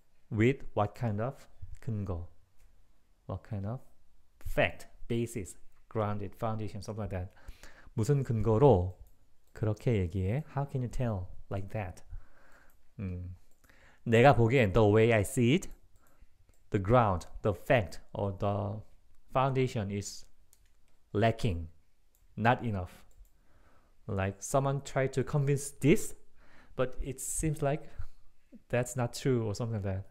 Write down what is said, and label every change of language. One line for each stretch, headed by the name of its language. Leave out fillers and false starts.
English: With what kind of 근거? What kind of fact, basis, grounded foundation, something like that.
Korean: 무슨 근거로 그렇게 얘기해?
English: How can you tell like that? 내가 보기엔 the way I see it, the ground, the fact, or the foundation is lacking, not enough. Like someone tried to convince this, but it seems like that's not true or something like that.